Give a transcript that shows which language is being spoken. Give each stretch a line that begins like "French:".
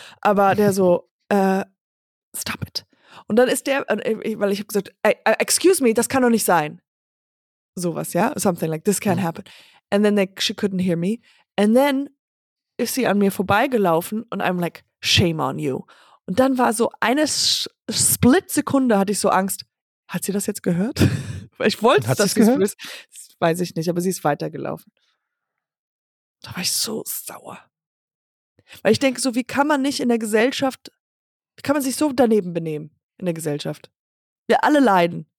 German: Aber der so,
English: stop it.
German: Und dann ist der, weil ich habe gesagt,
English: excuse me,
German: das kann doch nicht sein. Sowas, ja?
English: Something like, this can't happen. And then she couldn't hear me. And then
German: ist sie an mir vorbeigelaufen und
English: I'm like, shame on you.
German: Und dann war so eine Split-Sekunde, hatte ich so Angst, hat sie das jetzt gehört? Ich wollte, dass sie es wüsste. Das weiß ich nicht, aber sie ist weitergelaufen. Da war ich so sauer. Weil ich denke so, wie kann man nicht in der Gesellschaft, wie kann man sich so daneben benehmen? In der Gesellschaft. Wir alle leiden.